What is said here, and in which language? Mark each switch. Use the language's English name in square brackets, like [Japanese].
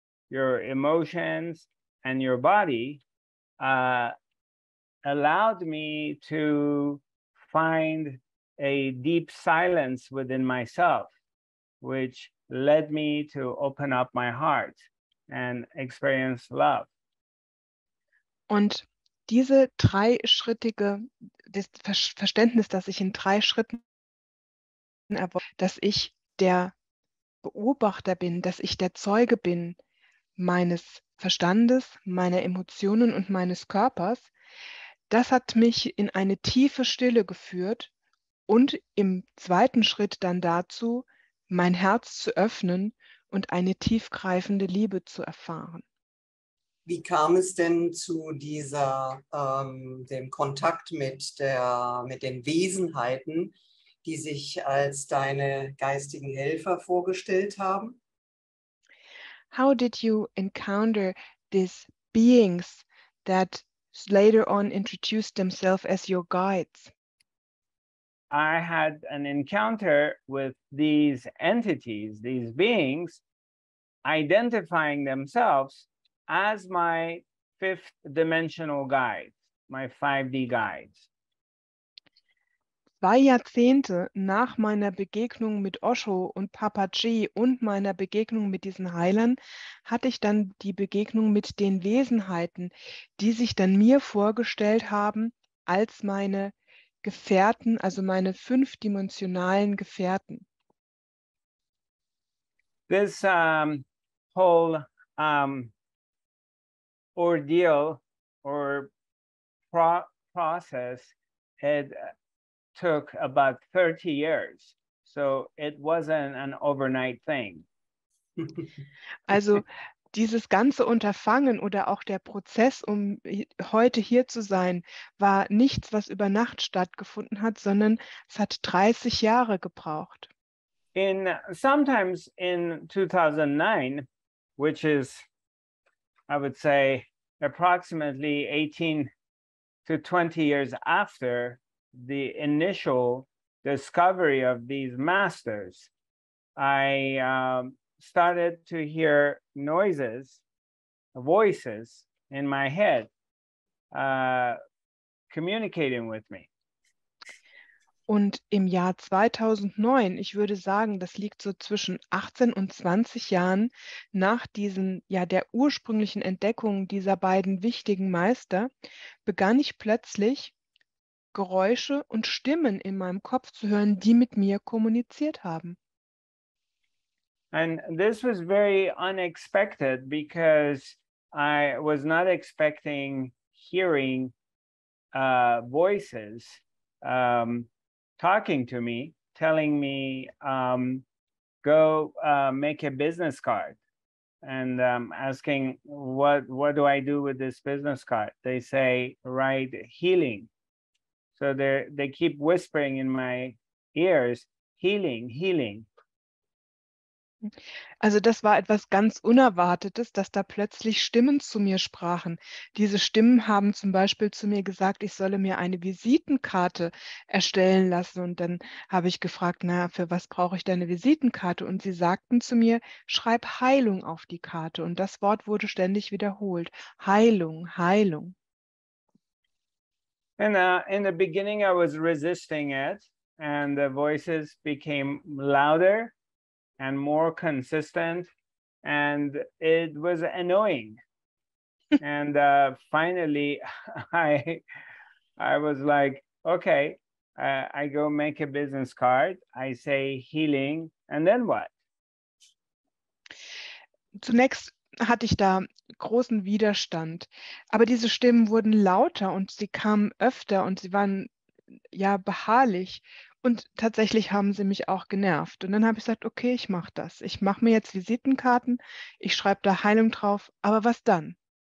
[English] your emotions and your body allowed me to find a deep silence within myself, which led me to open up my heart and experience love. [German] Und diese dreischrittige das Verständnis, das ich in drei Schritten erworben, dass ich der Beobachter bin, dass ich der Zeuge bin, meines Verstandes, meiner Emotionen und meines Körpers. Das hat mich in eine tiefe Stille geführt und im zweiten Schritt dann dazu, mein Herz zu öffnen und eine tiefgreifende Liebe zu erfahren. Wie kam es denn zu dieser, dem Kontakt mit den Wesenheiten, die sich als deine geistigen Helfer vorgestellt haben? [English] How did you encounter these beings that later on introduced themselves as your guides? I had an encounter with these entities, these beings, identifying themselves as my fifth dimensional guides, my 5D guides. [German] 2 Jahrzehnte nach meiner Begegnung mit Osho und Papa G und meiner Begegnung mit diesen Heilern hatte ich dann die Begegnung mit den Wesenheiten, die sich dann mir vorgestellt haben als meine Gefährten, also meine fünfdimensionalen Gefährten. [English] This whole ordeal or process had took about 30 years. So it wasn't an overnight thing. [German] Also dieses ganze Unterfangen oder auch der Prozess, um heute hier zu sein, war nichts, was über Nacht stattgefunden hat, sondern es hat 30 Jahre gebraucht. [English] In sometimes in 2009, which is, I would say, approximately 18 to 20 years after the initial discovery of these masters, I started to hear noises, voices in my head communicating with me. [German] Und im Jahr 2009, ich würde sagen, das liegt so zwischen 18 und 20 Jahren nach diesen, ja, der ursprünglichen Entdeckung dieser beiden wichtigen Meister, begann ich plötzlich Geräusche und Stimmen in meinem Kopf zu hören, die mit mir kommuniziert haben. [English] And this was very unexpected because I was not expecting hearing voices talking to me, telling me go make a business card. and asking, what do I do with this business card? They say, write healing. So they keep whispering in my ears, healing, healing. [German] Also das war etwas ganz Unerwartetes, dass da plötzlich Stimmen zu mir sprachen. Diese Stimmen haben zum Beispiel zu mir gesagt, ich solle mir eine Visitenkarte erstellen lassen. Und dann habe ich gefragt, naja, für was brauche ich deine Visitenkarte? Und sie sagten zu mir, schreib Heilung auf die Karte. Und das Wort wurde ständig wiederholt. Heilung, Heilung. [English] And in the beginning I was resisting it and the voices became louder and more consistent, and it was annoying. And finally, I was like, okay, I go make a business card, I say healing, and then what? [German] Zunächst hatte ich da großen Widerstand, aber diese Stimmen wurden lauter und sie kamen öfter und sie waren ja beharrlich. Und tatsächlich haben sie mich auch genervt. Und dann habe ich gesagt, okay, ich mache das. Ich mache mir jetzt Visitenkarten. Ich schreibe da Heilung drauf. Aber was dann?